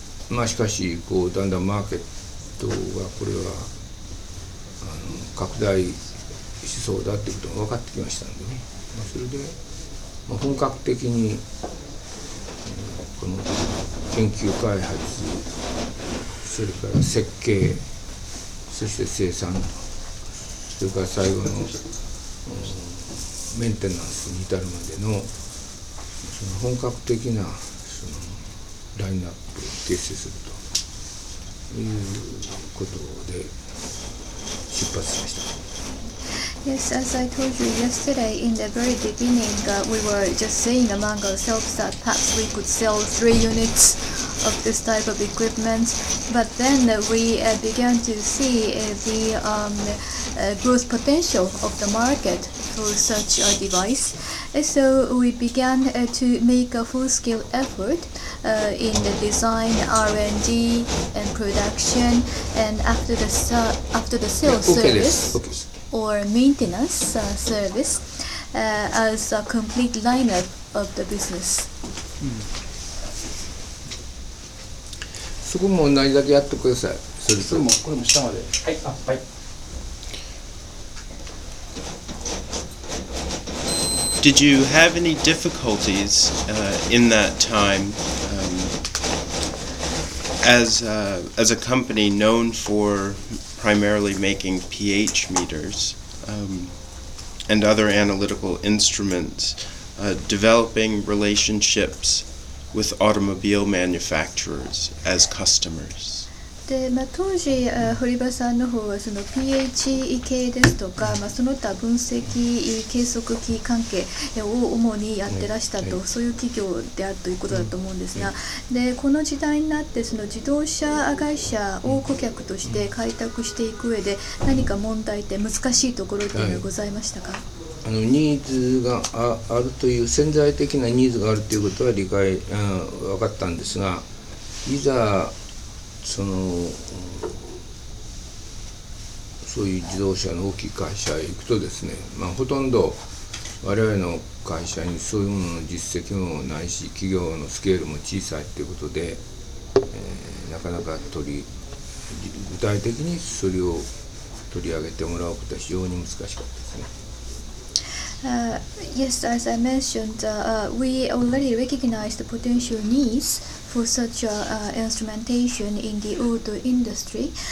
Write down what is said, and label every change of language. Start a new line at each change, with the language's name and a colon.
Japanese: まあしかしこうだんだんマーケットがこれは拡大しそうだってことが分かってきましたんでね、まあ、それで、まあ、本格的にこの研究開発それから設計そして生産それから最後の、メンテナンスに至るまでの、 その本格的なそのラインナップを形成するということで出発しました。
English: Yes, as I told you yesterday, in the very beginning, we were just saying among ourselves that perhaps we could sell 3 units of this type of equipment. But then we began to see the growth potential of the market for such a device. So we began to make a full-scale effort in the design, R&D, and production, and after the sales service. Or maintenance service as a complete lineup of the business.
Japanese: そこも同じだけやってください。それもこれも下まで。はい。あ、はい。
English: Did you have any difficulties in that time as a company known for primarily making pH meters? And other analytical instruments, developing relationships with automobile manufacturers as customers.
Japanese: で、まあ、当時、堀場さんの方はその pH 系ですとか、まあ、その他分析計測器関係を主にやってらしたと、そういう企業であるということだと思うんですが、でこの時代になってその自動車会社を顧客として開拓していく上で何か問題って難しいところっていうのはございましたか？はい、ニーズが あるという潜在的なニーズがあるということは理解、分かったんですが、いざそういう自動車の大きい会社へ行くとですね、まあ、ほとんど我々の会社にそういうものの実績もないし企業のスケールも小さいということで、なかなか具体的にそれを取り上げてもらうことは非常に難しかったですね。
English: Yes, as I mentioned, we already recognize the potential needs for such instrumentation in the auto industry.